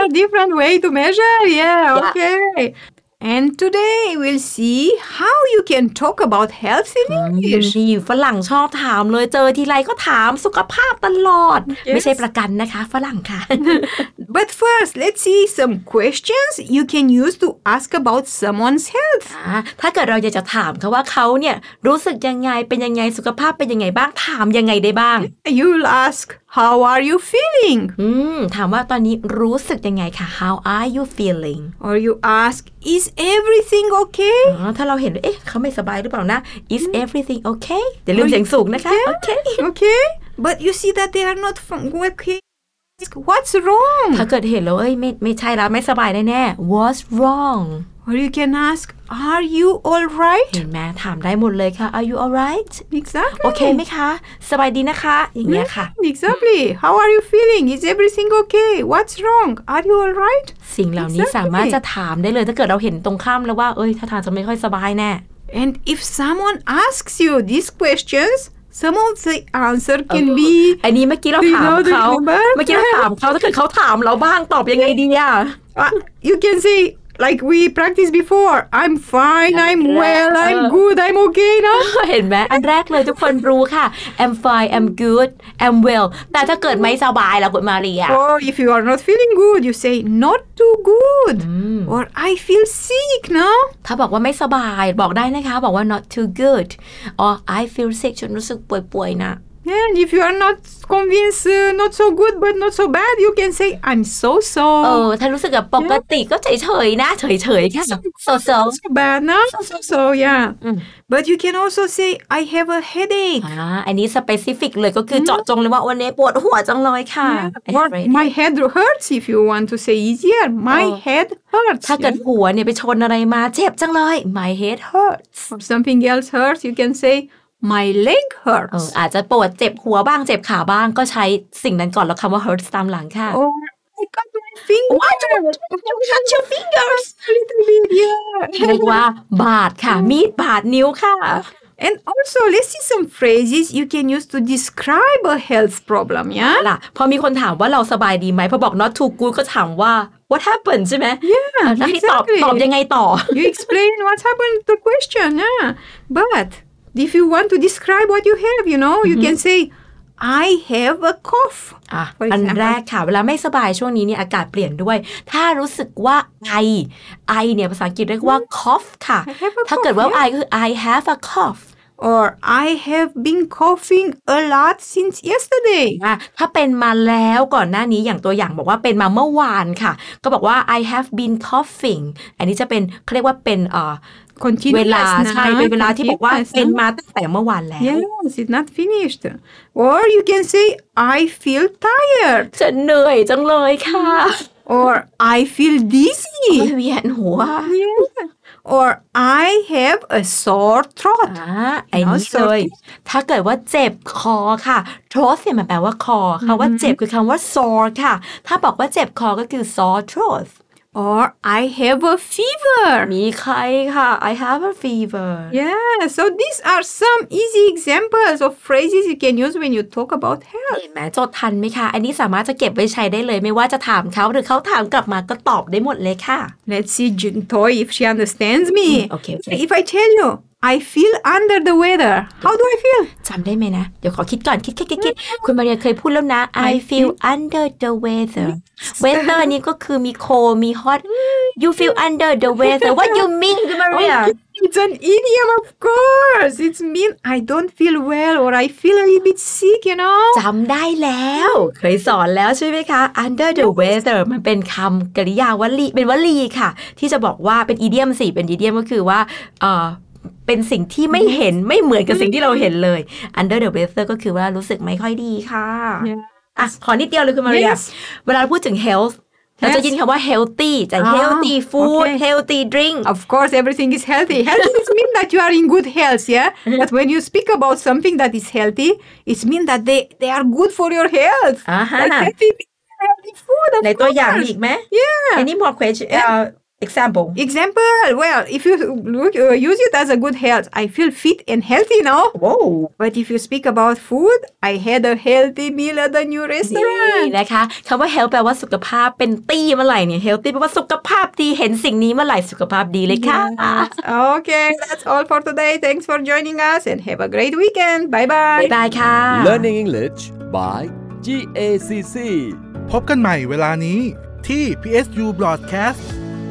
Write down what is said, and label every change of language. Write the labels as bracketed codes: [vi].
[en] different way to measure yeah okay and today we'll see how you can talk about health in English [th] มีฝรั่งชอบถามเลยเจอทีไรก็ถามสุขภาพตลอดไม่ใช่ประกันนะคะฝรั่งค่ะ [en] but first let's see some questions you can use to ask about someone's health [th] ถ้าเกิดเราอยากจะถามเขาว่าเขาเนี่ยรู้สึกยังไงเป็นยังไงสุขภาพเป็นยังไงบ้างถามยังไงได้บ้าง [en] you'll askHow are you feeling? [th] ถามว่าตอนนี้รู้สึกยังไงคะ [en] How are you feeling? Or you ask, is everything okay? [th] ถ้าเราเห็นเอ๊ะเขาไม่สบายหรือเปล่านะ [en] Is everything okay? [th] อย่าลืมเสียงสูงนะคะ [en] Okay. But you see that they are not okay. What's wrong? [th] ถ้าเกิดเห็นแล้วเอ้ยไม่ใช่แล้วไม่สบายแน่แน่ [en] What's wrong? Or you can ask, are you all right? [th] เห็นไหมถามได้หมดเลยค่ะ [en] Are you all right? Exactly. [th] Okay ไหมคะสบายดีนะคะอย่างเงี้ยค่ะ [en] Exactly. How are you feeling? Is everything okay? What's wrong? Are you all right? [th] สิ่งเหล่านี้สามารถจะถามได้เลยถ้าเกิดเราเห็นตรงข้ามแล้วว่าเอ้ยท่าทางจะไม่ค่อยสบายแน่ [en] And if someone asks you these questions,Some of the answer can be. [th] อันนี้เมื่อกี้เราถามเขาเมื่อกี้เราถามเขาถ้าเกิดเขาถามเราบ้างตอบยังไงดีอ่ะ [en] You can say like we practiced before. I'm fine. I'm well. I'm good. I'm okay. นะ [th] เห็นไหมอันแรกเลยทุกคนรู้ค่ะ [en] I'm fine. I'm good. I'm well. [th] แต่ถ้าเกิดไม่สบายล่ะคุณมาเรีย [en] Or if you are not feeling good, you say not too good. Or I feel sick. นะ [th] ถ้าบอกว่าไม่สบายบอกได้นะคะบอกว่า [en] not too good or I feel sick [th] ฉันรู้สึกป่วยๆนะ [en] and if you are not convinced not so good but not so bad you can say I'm so so [th] เออถ้ารู้สึกแบบปกติก็เฉยๆนะเฉยๆแค่ so so [en] so bad นะ so so yeah but you can also say I have a headache [th] อันนี้ specific เลยก็คือเจาะจงเลยว่าวันนี้ปวดหัวจังเลยค่ะ [en] my head hurts if you want to say easier my head [th] ถ้าเกิดหัวเนี่ยไปชนอะไรมาเจ็บจังเลย [en] My head hurts Or something else hurts you can say My leg hurts [th] อาจจะปวดเจ็บหัวบ้างเจ็บขาบ้างก็ใช้สิ่งนั้นก่อนแล้วคำว่า hurts ตามหลังค่ะ [en] Oh I got my finger What you touch your fingers a little bit yeah [th] เรียกว่าบาดค่ะมีดบาดนิ้วค่ะ [en] And also, let's see some phrases you can use to describe a health problem. Yeah. [th] ล่ะพอมีคนถามว่าเราสบายดีไหมพอบอก [en] not too good [th] ก็ถามว่า [en] what happened [th] ใช่ไหม [en] Yeah. [th] Exactly. ตอบยังไงต่อ [en] You explain what happened to question. Yeah. But if you want to describe what you have, you know, you can say I have a cough. [th] อันแรกค่ะเวลาไม่สบายช่วงนี้เนี่ยอากาศเปลี่ยนด้วยถ้ารู้สึกว่าไอเนี่ยภาษาอังกฤษเรียกว่า cough ค่ะถ้าเกิดว่าไอก็คือ [en] I have a cough Or I have been coughing a lot since yesterday. [th] ถ้าเป็นมาแล้วก่อนหน้านี้อย่างตัวอย่างบอกว่าเป็นมาเมื่อวานค่ะก็บอกว่า [en] I have been coughing. [th] อันนี้จะเป็นเรียกว่าเป็น [en] continuous [th] เวลาใช่เป็นเวลาที่บอกว่าเป็นมาตั้งแต่เมื่อวานแล้ว [en] Yes, it's not finished. Or you can say I feel tired. [th] ฉันเหนื่อยจังเลยค่ะ [en] Or I feel dizzy. [th] เวียนหัว [en] Or I have a sore throat. [th] อันนี้เลยถ้าเกิดว่าเจ็บคอค่ะ throat เนี่ยมันแปลว่าคอคำว่าเจ็บคือคำว่า sore ค่ะถ้าบอกว่าเจ็บคอก็คือ sore throat. [en] Or I have a fever. [th] มีใครค่ะ [en] I have a fever. Yeah. So these are some easy examples of phrases you can use when you talk about health. [th] แม่จดทันไหมคะอันนี้สามารถจะเก็บไว้ใช้ได้เลยไม่ว่าจะถามเขาหรือเขาถามกลับมาก็ตอบได้หมดเลยค่ะ [en] Let's see Jun Toy if she understands me. Okay. If I tell you, I feel under the weather. How do I feel? [th] จำได้ไหมนะเดี๋ยวขอคิดก่อนคิดคุณมาเรียเคยพูดแล้วนะ [en] I feel under the weather. Weather [th] นี้ก็คือมีโคมี [en] hot You feel under the weather What you mean, Maria? It's an idiom, of course It's mean I don't feel well Or I feel a little bit sick, you know [th] จำได้แล้วเคยสอนแล้วใช่ไหมคะ [en] Under the weather [th] มันเป็นคำกริยาวลีเป็นวลีค่ะที่จะบอกว่าเป็น idiom สิเป็น idiom ก็คือว่าเป็นสิ่งที่ไม่เห็นไม่เหมือนกับสิ่งที่เราเห็นเลย Under the weather ก็คือว่ารู้สึกไม่ค่อยดีค่ะอ่ะขอนิดเดียวเลยคุณมาเรียเวลาพูดถึง health ราจะยินคำว่า healthy จาก healthy food okay. [en] healthy drink of course everything is healthy healthy means that you are in good health yeah but when you speak about something that is healthy it means that they are good for your health like healthy food [th] ในตัวอย่างอีกไหม [en] yeah any more question Example. Well, if you look, use it as a good health, I feel fit and healthy now. Whoa. But if you speak about food, I had a healthy meal at the new restaurant. [th] นี่นะคะคำว่า health แปลว่าสุขภาพเป็นตี้เมื่อไหร่เนี่ย healthy แปลว่าสุขภาพดีเห็นสิ่งนี้เมื่อไหร่สุขภาพดีเลยค่ะ [en] Okay, that's all for today. Thanks for joining us and have a great weekend. Bye bye. Bye bye ค่ะ Learning English by GACC [th] พบกันใหม่เวลานี้ที่ PSU Broadcast